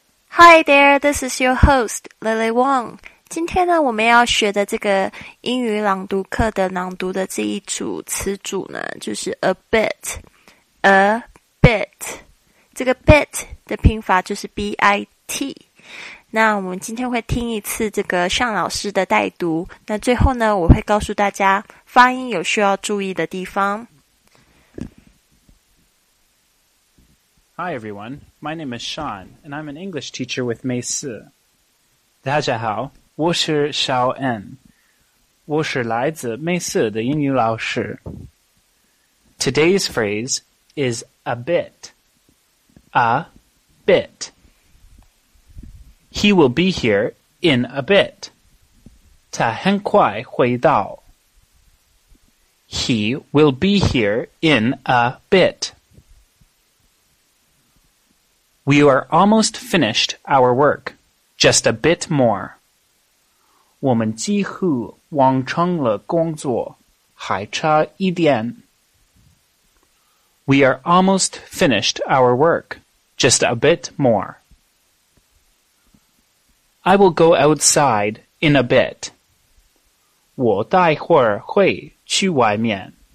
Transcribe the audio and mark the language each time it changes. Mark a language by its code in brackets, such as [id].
[en] Hi there, this is your host, Lily Wong. [zh] 今天呢，我们要学的这个英语朗读课的朗读的这一组词组呢，就是 [en] a bit, a bit. [zh] 这个 bit 的拼法就是 B-I-T. 那我们今天会听一次这个尚老师的带读，那最后呢，我会告诉大家发音有需要注意的地方。 [en] Hi everyone, my name is Sean, and I'm an English teacher with Mei Si. [zh] 大家好，我是 Shao En, 我是来自 Mei Si 的英语老师。 [en] Today's phrase is a bit. A bit. He will be here in a bit. [zh] 他很快会到。 [en] He will be here in a bit. We are almost finished our work, just a bit more. [zh] 我们几乎完成了工作，还差一点。 [en] We are almost finished our work, just a bit more. I will go outside in a bit. [zh] 我待会儿会去外面。